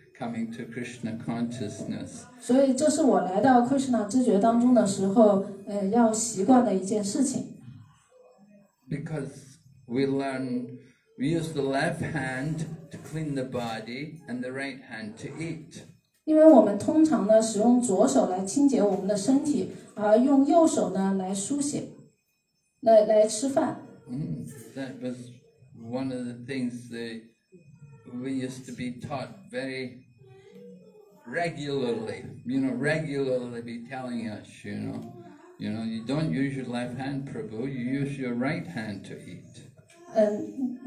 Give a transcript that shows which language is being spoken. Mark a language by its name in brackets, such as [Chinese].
[English] Coming to Krishna consciousness. [Chinese] 所以这是我来到 Krishna 知觉当中的时候，要习惯的一件事情。 [English] Because we learn, we use the left hand to clean the body and the right hand to eat. [Chinese] 因为我们通常呢使用左手来清洁我们的身体，而用右手呢来书写，来吃饭。 [English] That was one of the things that we used to be taught very. Regularly be telling us, you know, you don't use your left hand, Prabhu, you use your right hand to eat.